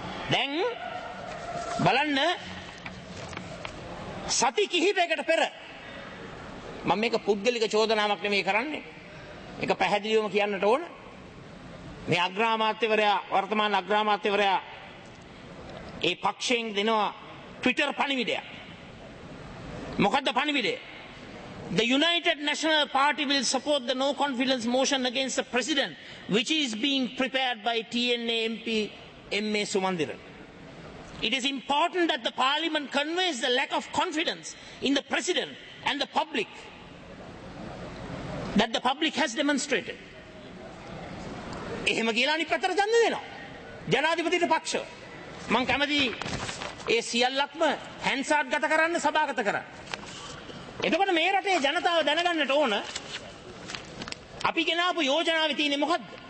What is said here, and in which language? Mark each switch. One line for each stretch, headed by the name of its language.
Sinhala: දැන් බලන්න සති කිහිපයකට පෙර මම මේක පුද්ගලික චෝදනාවක් නෙමෙයි කරන්නේ. ඒක පැහැදිලිවම කියන්නට ඕන. මේ අග්‍රාමාත්‍යවරයා වර්තමාන අග්‍රාමාත්‍යවරයා ඒ පක්ෂයෙන් දෙනවා ට්විටර් පණිවිඩයක්. මොකද්ද පණිවිඩය?
English: The United National Party will support the no confidence motion against the president which is being prepared by TNA MP MA Sumandiran. It is important that the parliament conveys the lack of confidence in the president and the public that the public has demonstrated.
Sinhala: එහෙම කියලා අනිත් පැත්තට ඡන්ද දෙනවා ජනාධිපතිගේ පක්ෂ. මම කැමති ඒ සියල්ලක්ම හැන්සාඩ් ගත කරන්න සභාගත කරන්න. එතකොට මේ රටේ ජනතාව දැනගන්නට ඕන අපි ගෙනාවු යෝජනාවේ තියෙන්නේ මොකද්ද?